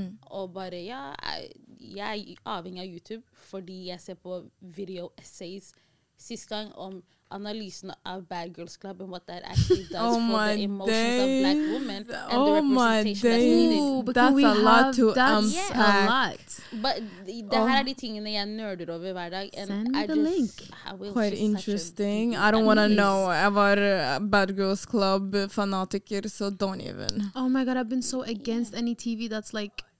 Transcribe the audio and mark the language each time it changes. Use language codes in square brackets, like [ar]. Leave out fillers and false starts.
[no] Og bare, ja, jeg avhengig av YouTube, fordi jeg ser på video essays sist gang om analysen av [en] Bad Girls Club and what that actually does for the emotions of black women and the representation that's needed. That's a lot to unpack. [sv] But det här är de tingen jag nördar över varje dag. [en] Send me the link. Quite interesting. I don't want to know. I was a Bad Girls Club fanatic, so don't even. Oh my god, I've been so against any TV that's like...